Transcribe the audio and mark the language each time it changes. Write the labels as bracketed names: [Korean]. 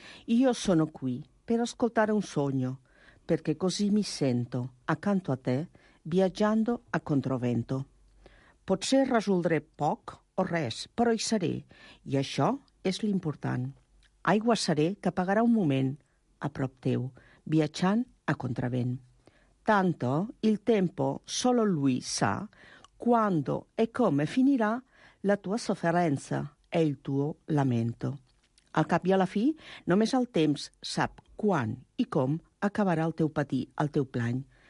[Italian] Io sono qui per ascoltare un sogno, perché così mi sento, accanto a te, viaggiando a controvento. [Catalan] Potser resoldré poc o res, però hi seré, i això és l'important. Aigua seré que pagarà un moment a prop teu, viatjant a contravent. [Italian] Tanto il tempo solo lui sa quando e come finirà la tua sofferenza e il tuo lamento. [Catalan] Al cap i a la fi, només el temps sap quan i com acabarà el teu patir, el teu plany.